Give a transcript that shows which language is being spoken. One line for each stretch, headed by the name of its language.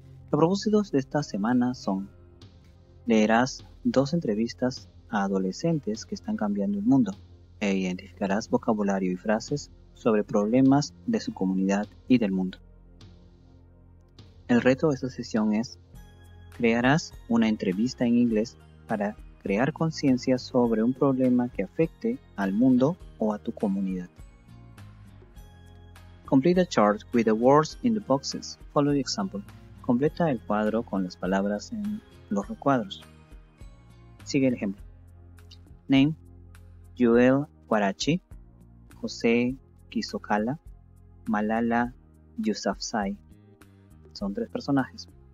Spanish: Los propósitos de esta semana son: leerás dos entrevistas a adolescentes que están cambiando el mundo e identificarás vocabulario y frases sobre problemas de su comunidad y del mundo. El reto de esta sesión es: crearás una entrevista en inglés para crear conciencia sobre un problema que afecte al mundo o a tu comunidad.
English: Complete a chart with the words in the boxes. Follow the example.
Spanish: Completa el cuadro con las palabras en los recuadros. Sigue el ejemplo. Name: Joel Guarachi, José Kisokala, Malala Yousafzai. Son tres personajes.